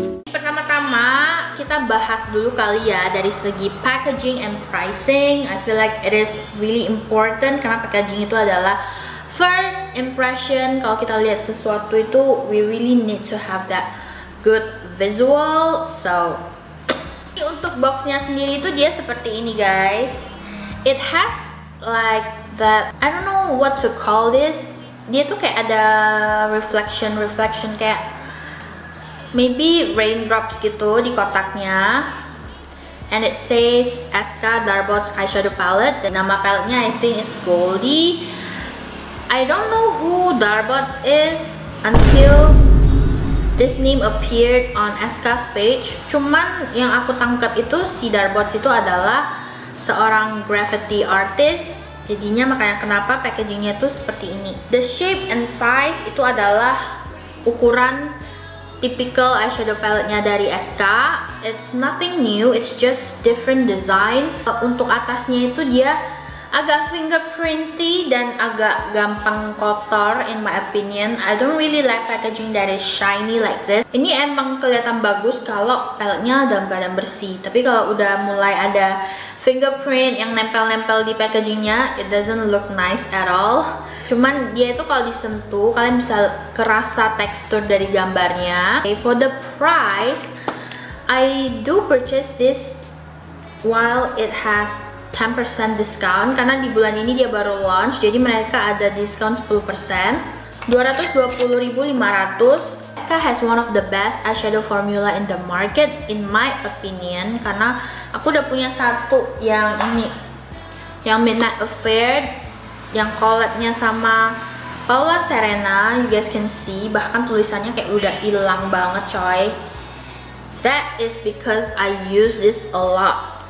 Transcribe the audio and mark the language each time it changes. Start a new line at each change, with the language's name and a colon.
Indonesian: Pertama-tama kita bahas dulu kali ya dari segi
English: packaging and pricing. I feel like it is really important
Indonesian: karena packaging itu adalah
English: first impression.
Indonesian: Kalau kita lihat sesuatu itu,
English: we really need to have that good visual.
Indonesian: So untuk boxnya sendiri itu dia seperti ini guys.
English: It has like that, I don't know what to call this.
Indonesian: Dia tuh kayak ada reflection kayak
English: maybe raindrops
Indonesian: gitu di kotaknya.
English: And it says SK Darbox Eyeshadow Palette.
Indonesian: Dan nama palette-nya
English: I think is Goldie. I don't know who Darbox is until this name appeared on SK's page.
Indonesian: Cuman yang aku tangkap itu si Darbox itu adalah seorang graffiti artist. Jadinya makanya kenapa packagingnya itu seperti ini.
English: The shape and size
Indonesian: itu adalah ukuran typical eyeshadow palette-nya dari SK.
English: It's nothing new, it's just different design.
Indonesian: Untuk atasnya itu dia agak fingerprinty dan agak gampang kotor
English: in my opinion. I don't really like packaging that is shiny like this.
Indonesian: Ini emang kelihatan bagus kalau palette-nya dalam keadaan bersih. Tapi kalau udah mulai ada fingerprint yang nempel-nempel di packagingnya,
English: it doesn't look nice at all.
Indonesian: Cuman dia itu kalau disentuh, kalian bisa kerasa tekstur dari gambarnya.
English: Okay, for the price, I do purchase this while it has 10% discount.
Indonesian: Karena di bulan ini dia baru launch, jadi mereka ada discount 10%.
English: Rp220.500. SK has one of the best eyeshadow formula in the market, in my opinion.
Indonesian: Karena aku udah punya satu yang ini, yang Midnight Affair, yang collab-nya sama Paula Serena.
English: You guys can see,
Indonesian: bahkan tulisannya kayak udah hilang banget coy.
English: That is because I use this a lot.